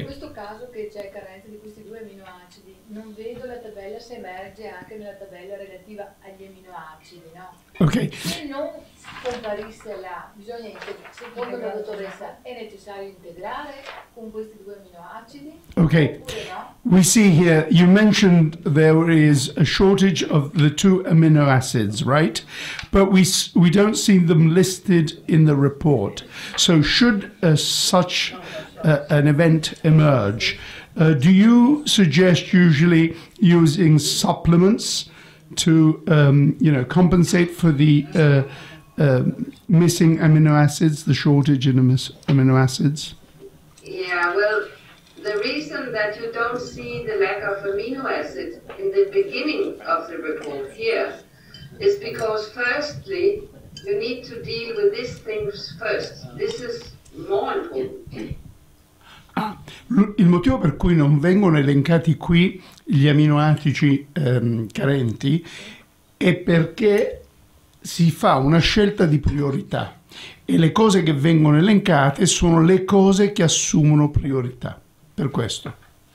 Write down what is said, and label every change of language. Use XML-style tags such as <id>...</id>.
<it>In questo caso che c'è carenza di questi due aminoacidi, non vedo la tabella se emerge anche nella tabella relativa agli aminoacidi, no? Okay. Se non comparisse là, bisogna secondo la dottoressa è necessario integrare con questi due aminoacidi? Okay. No?</it> <en>We see here you mentioned there is a shortage of the two amino acids, right? But we don't see them listed in the report. So should such an event emerge, do you suggest usually using supplements to compensate for the missing amino acids, the shortage in amino acids? Yeah, well, the reason that you don't see the lack of amino acids in the beginning of the report here is because firstly, you need to deal with these things first. This is more important.</en> <it>Il motivo per cui non vengono elencati qui gli aminoacidi carenti è perché si fa una scelta di priorità e le cose che vengono elencate sono le cose che assumono priorità, per questo.</it>